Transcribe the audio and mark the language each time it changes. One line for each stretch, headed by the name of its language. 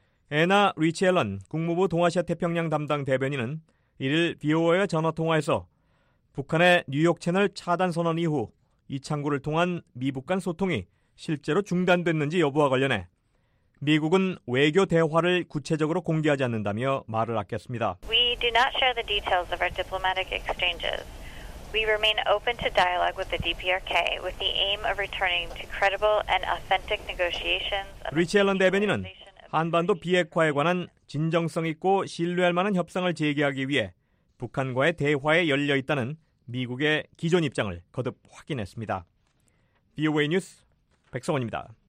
Korean: 애나 리치 앨런 국무부 동아시아 태평양 담당 대변인은 이를 VOA와 전화통화에서 북한의 뉴욕 채널 차단 선언 이후 이창구를 통한 미북 간 소통이 실제로 중단됐는지 여부와 관련해 미국은 외교 대화를 구체적으로 공개하지 않는다며 말을 아꼈습니다.
English: We do not share the details of our diplomatic exchanges. We remain open to dialogue with the DPRK with the aim of returning to credible and authentic negotiations.
Korean: 리치 앨런 대변인은 한반도 비핵화에 관한 진정성 있고 신뢰할 만한 협상을 재개하기 위해 북한과의 대화에 열려 있다는 미국의 기존 입장을 거듭 확인했습니다. VOA 뉴스 백성원입니다.